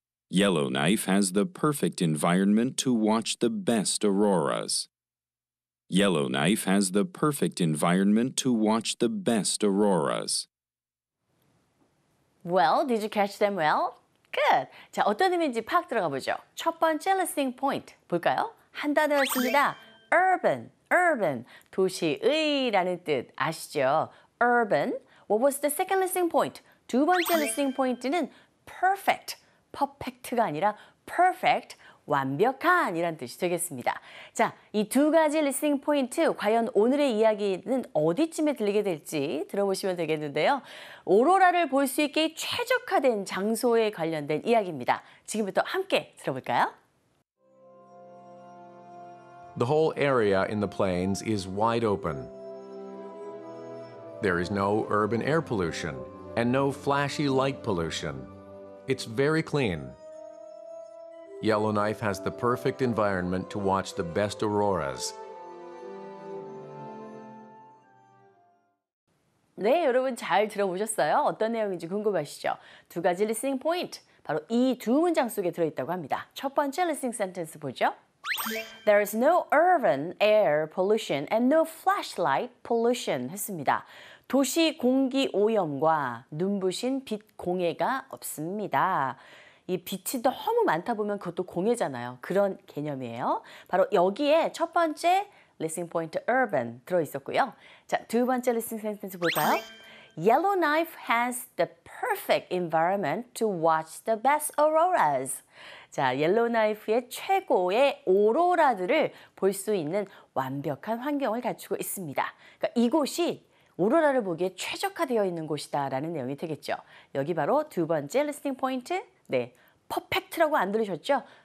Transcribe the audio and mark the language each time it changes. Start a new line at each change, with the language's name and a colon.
English: Yellowknife has the perfect environment to watch the best auroras. Yellowknife has the perfect environment to watch the best auroras. Well, did you catch them well? Good.
Korean: 자, 어떤 의미인지 파악 들어가 보죠. 첫 번째 listening point 볼까요? 한 단어였습니다. Urban, urban, 도시의라는 뜻 아시죠? Urban.
English: What was the second listening point?
Korean: 두 번째 listening point는 perfect, perfect가 아니라 perfect, 완벽한이란 뜻이 되겠습니다. 자, 이 두 가지 listening point, 과연 오늘의 이야기는 어디쯤에 들리게 될지 들어보시면 되겠는데요. 오로라를 볼 수 있게 최적화된 장소에 관련된 이야기입니다. 지금부터 함께 들어볼까요?
English: The whole area in the plains is wide open. There is no urban air pollution and no flashy light pollution. It's very clean. Yellowknife has the perfect environment to watch the best auroras.
Korean: 네, 여러분 잘 들어보셨어요? 어떤 내용인지 궁금하시죠? 두 가지 listening point, 바로 이 두 문장 속에 들어있다고 합니다. 첫 번째 listening sentence 보죠.
English: There is no urban air pollution and no flashlight pollution 했습니다.
Korean: 도시 공기 오염과 눈부신 빛 공해가 없습니다. 이 빛이 너무 많다 보면 그것도 공해잖아요. 그런 개념이에요. 바로 여기에 첫 번째 listening point urban 들어있었고요. 자, 두 번째 listening sentence 볼까요?
English: Yellowknife has the perfect environment to watch the best auroras.
Korean: 자, 옐로우나이프의 최고의 오로라들을 볼 수 있는 완벽한 환경을 갖추고 있습니다. 그러니까 이곳이 오로라를 보기에 최적화되어 있는 곳이다라는 내용이 되겠죠. 여기 바로 두 번째 listening point. 네, perfect라고 안 들으셨죠?